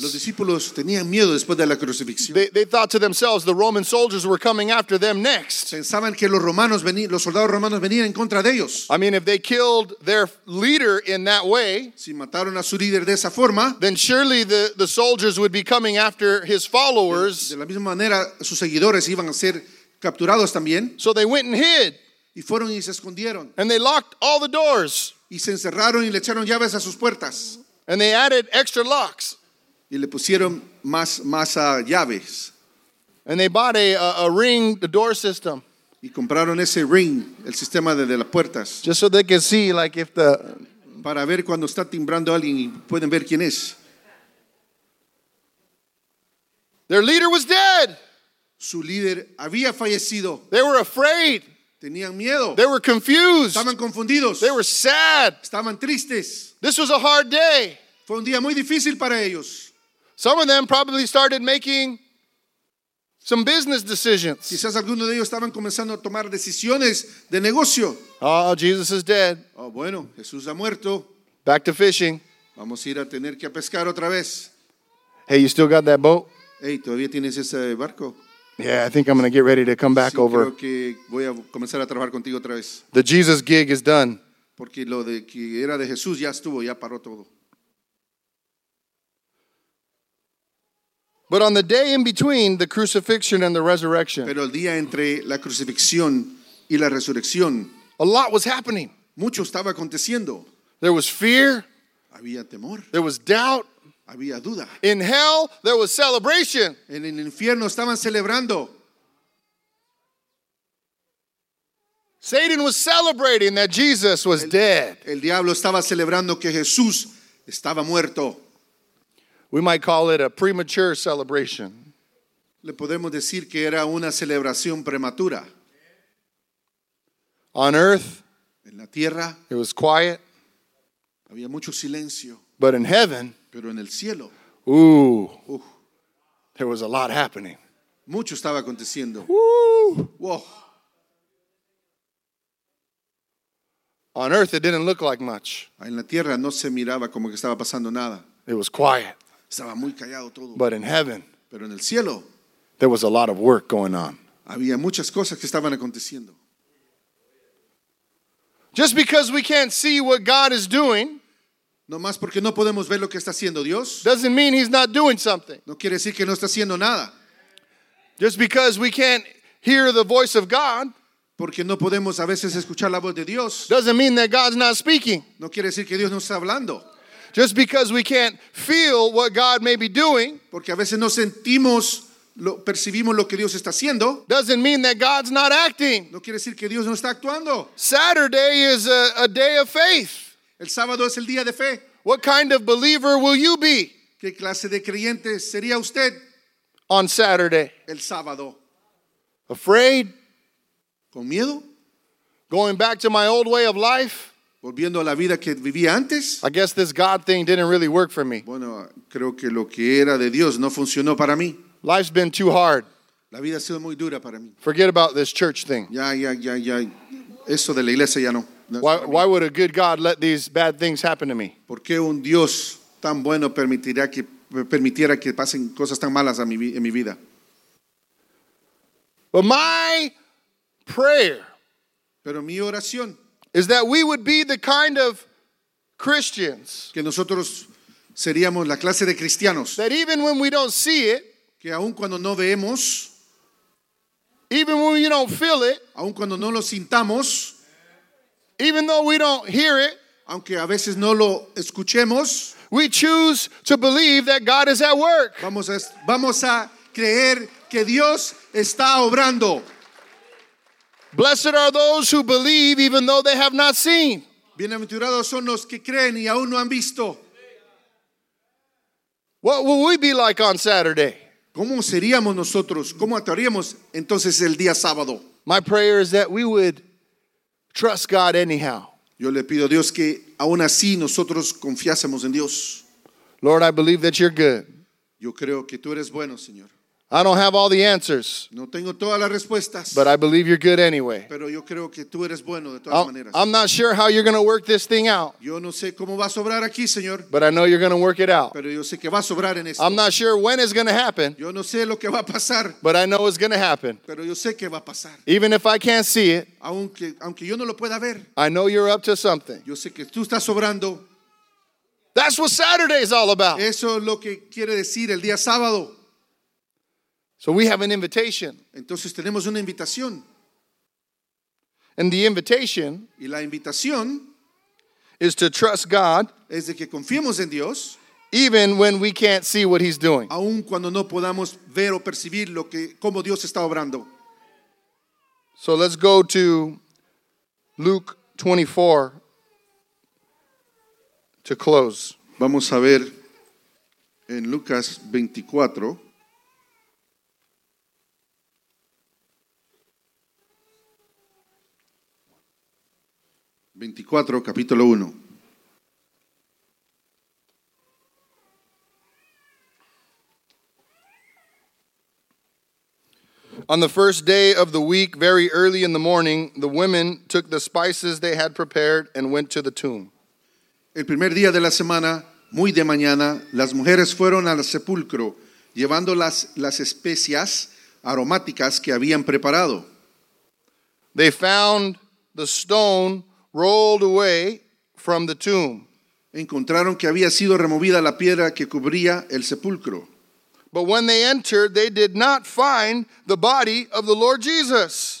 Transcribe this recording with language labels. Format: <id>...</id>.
<es>Los discípulos tenían miedo después de la crucifixión.</es> <en>They thought to themselves, the Roman soldiers were coming after them next.</en> <es>Pensaban que los soldados romanos venían en contra de ellos.</es> <en>I mean, if they killed their leader in that way,</en> <es>si mataron a su líder de esa forma,</es> <en>then surely the soldiers would be coming after his followers.</en> <es>De la misma manera, sus seguidores iban a ser capturados también.</es> <en>So they went and hid.</en> <es>Y fueron y se escondieron.</es> <en>And they locked all the doors.</en> <es>Y se encerraron y le echaron llaves a sus puertas.</es> <en>And they added extra locks.</en> <es>Y le pusieron más llaves.</es> <en>And they bought a ring, the door system.</en> <es>Y compraron ese ring, el sistema de las puertas.</es> <en>Just so they can see, like if the...</en> <es>Para ver cuando está timbrando alguien y pueden ver quién es.</es> <en>Their leader was dead.</en> <es>Su líder había fallecido.</es> <en>They were afraid.</en> <es>Tenían miedo.</es> <en>They were confused.</en> <es>Estaban confundidos.</es> <en>They were sad.</en> <es>Estaban tristes.</es> <en>This was a hard day.</en> <es>Fue un día muy difícil para ellos.</es> <en>Some of them probably started making some business decisions.</en> <es>Quizás algunos de ellos estaban comenzando a tomar decisiones de negocio.</es> <en>Oh, Jesus is dead.</en> <es>Oh, bueno, Jesús ha muerto.</es> <en>Back to fishing.</en> <es>Vamos a ir a tener que pescar otra vez.</es> <en>Hey, you still got that boat?</en> <es>Hey, ¿todavía tienes ese barco?</es> <en>Yeah, I think I'm going to get ready to come back</en> <es>sí,</es> <en>over.</en> <es>Creo que voy a comenzar a trabajar contigo otra vez.</es> <en>The Jesus gig is done.</en> <es>Porque lo de que era de Jesús ya estuvo, ya paró todo.</es> <en>But on the day in between the crucifixion and the resurrection,</en> <es>pero el día entre la crucifixión y la resurrección,</es> <en>a lot was happening.</en> <es>Mucho estaba aconteciendo.</es> <en>There was fear.</en> <es>Había temor.</es> <en>There was doubt.</en> <es>Había duda.</es> <en>In hell, there was celebration.</en> <es>En el infierno estaban celebrando.</es> <en>Satan was celebrating that Jesus was dead.</en> <es>El diablo estaba celebrando que Jesús estaba muerto.</es> <en>We might call it a premature celebration.</en> <es>Le podemos decir que era una celebración prematura.</es> <en>On earth,</en> <es>en la tierra,</es> <en>it was quiet.</en> <es>Había mucho silencio.</es> <en>But in heaven,</en> <es>pero en el cielo,</es> <en>ooh, there was a lot happening.</en> <es>Mucho estaba aconteciendo. Ooh.</es> <en>On earth, it didn't look like much.</en> <es>En la tierra no se miraba como que estaba pasando nada.</es> <en>It was quiet.</en> <es>Estaba muy callado todo.</es> <en>But in heaven,</en> <es>pero en el cielo,</es> <en>there was a lot of work going on.</en> <es>Había muchas cosas que estaban aconteciendo.</es> <en>Just because we can't see what God is doing,</en> <es>no más porque no podemos ver lo que está haciendo Dios,</es> <en>doesn't mean he's not doing something.</en> <es>No quiere decir que no está haciendo nada.</es> <en>Just because we can't hear the voice of God,</en> <es>porque no podemos a veces escuchar la voz de Dios,</es> <en>doesn't mean that God's not speaking.</en> <es>No quiere decir que Dios no está hablando.</es> <en>Just because we can't feel what God may be doing,</en> <es>porque a veces no sentimos, percibimos lo que Dios está haciendo,</es> <en>doesn't mean that God's not acting.</en> <es>No quiere decir que Dios no está actuando.</es> <en>Saturday is a day of faith.</en> <es>El sábado es el día de fe.</es> <en>What kind of believer will you be?</en> <es>¿Qué clase de creyente sería usted?</es> <en>On Saturday.</en> <es>El sábado.</es> <en>Afraid.</en> <es>Con miedo.</es> <en>Going back to my old way of life.</en> <es>Volviendo a la vida que vivía antes.</es> <en>I guess this God thing didn't really work for me.</en> <es>Bueno, creo que lo que era de Dios no funcionó para mí.</es> <en>Life's been too hard.</en> <es>La vida ha sido muy dura para mí.</es> <en>Forget about this church thing.</en> <es>Ya. Eso de la iglesia ya no.</es> <en>Why would a good God let these bad things happen to me?</en> <es>¿Por qué un Dios tan bueno permitiera que pasen cosas tan malas en mi vida?</es> <en>But my prayer.</en> <es>Pero mi oración.</es> <en>Is that we would be the kind of Christians.</en> <es>Que nosotros seríamos la clase de cristianos.</es> <en>That even when we don't see it.</en> <es>Que aun cuando no vemos.</es> <en>Even when we don't feel it.</en> <es>Aun cuando no lo sintamos.</es> <en>Even though we don't hear it.</en> <es>Aunque a veces no lo escuchemos.</es> <en>We choose to believe that God is at work.</en> <es>Vamos a creer que Dios está obrando.</es> <en>Blessed are those who believe even though they have not seen.</en> <es>Bienaventurados son los que creen y aún no han visto.</es> <en>What will we be like on Saturday?</en> <es>¿Cómo seríamos nosotros? ¿Cómo actuaríamos entonces el día sábado?</es> <en>My prayer is that we would trust God anyhow.</en> <es>Yo le pido a Dios que aún así nosotros confiásemos en Dios.</es> <en>Lord, I believe that you're good.</en> <es>Yo creo que tú eres bueno, Señor.</es> <en>I don't have all the answers.</en> <es>No tengo todas las respuestas.</es> <en>But I believe you're good anyway.</en> <es>Pero yo creo que tú eres bueno de todas maneras.</es> <en>I'm not sure how you're going to work this thing out.</en> <es>Yo no sé cómo va a sobrar aquí, Señor.</es> <en>But I know you're going to work it out.</en> <es>Pero yo sé que va a sobrar en esto.</es> <en>I'm not sure when it's going to happen.</en> <es>Yo no sé lo que va a pasar.</es> <en>But I know it's going to happen.</en> <es>Pero yo sé que va a pasar.</es> <en>Even if I can't see it.</en> <es>Aunque yo no lo pueda ver.</es> <en>I know you're up to something.</en> <es>Yo sé que tú estás sobrando.</es> <en>That's what Saturday is all about.</en> <es>Eso es lo que quiere decir el día sábado.</es> <en>So we have an invitation.</en> <es>Entonces tenemos una invitación.</es> <en>And the invitation,</en> <es>y la invitación,</es> <en>is to trust God,</en> <es>es de que confiemos en Dios,</es> <en>even when we can't see what he's doing.</en> <es>Aun cuando no podamos ver o percibir lo que cómo Dios está obrando.</es> <en>So let's go to Luke 24 to close.</en> <es>Vamos a ver en Lucas 24. Capítulo 1.</es> <en>On the first day of the week, very early in the morning, the women took the spices they had prepared and went to the tomb.</en> <es>El primer día de la semana, muy de mañana, las mujeres fueron al sepulcro llevando las especias aromáticas que habían preparado.</es> <en>They found the stone rolled away from the tomb.</en> <es>Encontraron que había sido removida la piedra que cubría el sepulcro.</es> <en>But when they entered, they did not find the body of the Lord Jesus.</en>